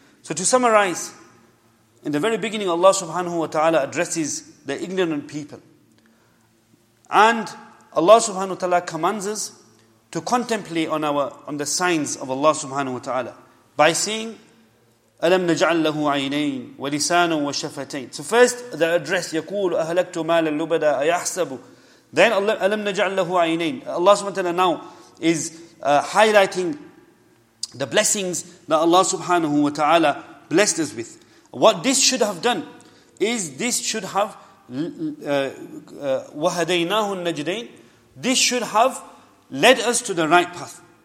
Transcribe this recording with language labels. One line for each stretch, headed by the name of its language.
English: So to summarize, in the very beginning, Allah subhanahu wa ta'ala addresses the ignorant people. And Allah subhanahu wa ta'ala commands us to contemplate on the signs of Allah subhanahu wa ta'ala by saying,
Arabic: أَلَمْ نَجْعَلْ لَهُ عَيْنَيْنِ وَلِسَانًا وَشَفَتَيْنِ.
English: So first, the address,
Arabic: يَقُولُ أَهْلَكْتُ مَالًا لُبَدًا أَيَحْسَبُ.
English: Then,
Arabic: أَلَمْ نَجْعَلْ لَهُ عَيْنَيْنِ.
English: Allah subhanahu wa ta'ala now is highlighting the blessings that Allah subhanahu wa ta'ala blessed us with. What this should have done, is this should have
Arabic: وَهَدَيْنَاهُ النَّجْدَيْنِ,
English: this should have led us to the right path.